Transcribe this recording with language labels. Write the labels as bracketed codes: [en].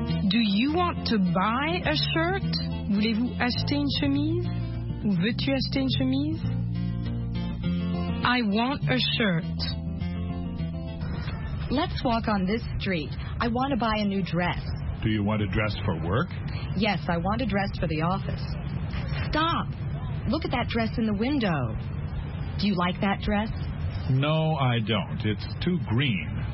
[en] Do you want to buy a shirt? [fr] Voulez-vous acheter une chemise? Ou veux-tu acheter une chemise? [en] I want a shirt. Let's walk on this street. I want to buy a new dress. Do you want a dress for work? Yes, I want a dress for the office. Stop! Look at that dress in the window. Do you like that dress? No, I don't. It's too green.